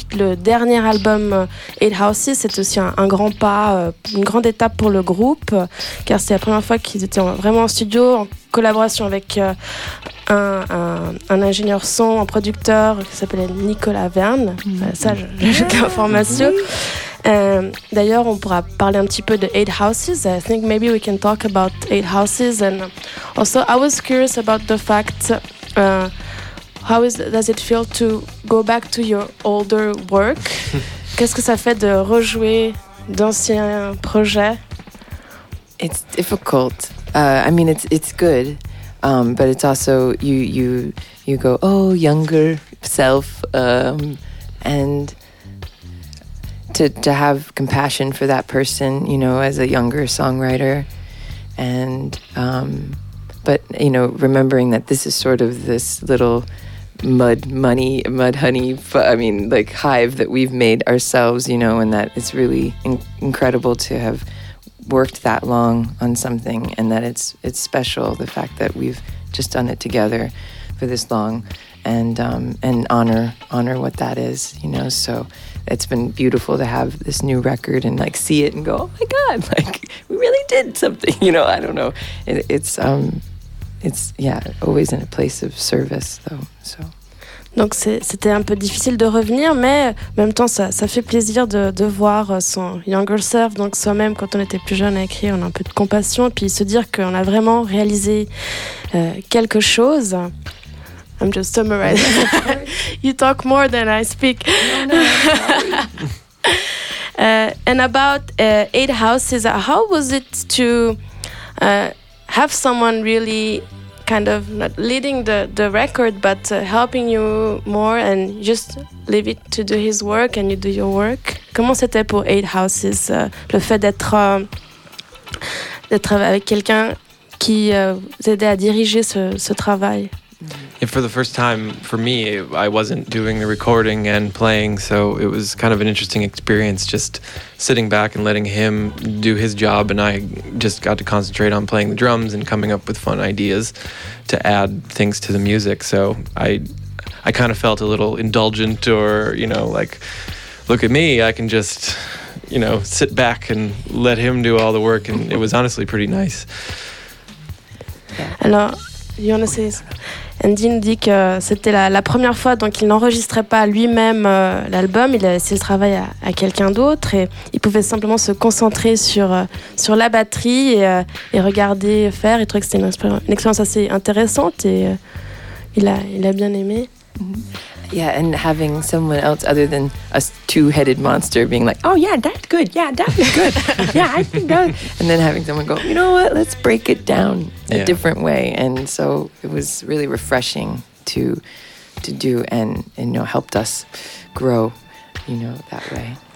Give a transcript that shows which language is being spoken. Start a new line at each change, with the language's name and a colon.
French: Puis le dernier album Eight Houses, c'est aussi un grand pas, une grande étape pour le groupe, car c'est la première fois qu'ils étaient vraiment en studio en collaboration avec un ingénieur son, un producteur qui s'appelait Nicolas Verne. Ça j'ajoute l'information. D'ailleurs, on pourra parler un petit peu de Eight Houses.
English: I think maybe we can talk about Eight Houses. And also, I was curious about the fact, does it feel to go back to your older work?
French: Qu'est-ce que ça fait de rejouer d'anciens projets?
English: It's difficult. I mean, it's good, but it's also you go, oh, younger self, and to have compassion for that person, you know, as a younger songwriter, and but you know, remembering that this is sort of this little hive that we've made ourselves, you know, and that it's really incredible to have worked that long on something, and that it's special, the fact that we've just done it together for this long, and honor what that is, you know. So it's been beautiful to have this new record and like see it and go, oh my god, like we really did something, you know. I don't know, it's always in a place of service though. So
French: donc c'était un peu difficile de revenir, mais en même temps ça fait plaisir de voir son
English: younger self,
French: donc soi-même quand on était plus jeune à écrire, on a un peu de compassion, et puis se dire qu'on a vraiment réalisé quelque chose.
English: I'm just summarizing. You talk more than I speak. And about Eight Houses, how was it to have someone really kind of not leading the record, but helping you more and just leave it to do his work and you do your work?
French: Comment c'était pour Eight Houses, le fait d'être avec quelqu'un qui t'aidait à diriger ce travail?
English: And for the first time for me, I wasn't doing the recording and playing, so it was kind of an interesting experience just sitting back and letting him do his job, and I just got to concentrate on playing the drums and coming up with fun ideas to add things to the music. So I kind of felt a little indulgent, or, you know, like, look at me, I can just, you know, sit back and let him do all the work. And it was honestly pretty nice. Alors, you want to say this?
French: Andy nous dit que c'était la première fois, donc il n'enregistrait pas lui-même l'album, il a laissé le travail à quelqu'un d'autre et il pouvait simplement se concentrer sur la batterie et regarder faire. Il trouvait que c'était une expérience assez intéressante et il a bien aimé.
English: Yeah, and having someone else other than a two-headed monster being like, oh yeah, that's good, yeah, that's good, yeah, I think that, and then having someone go, you know what, let's break it down a different way. And so it was really refreshing to do, and you know, helped us grow, you know, that way.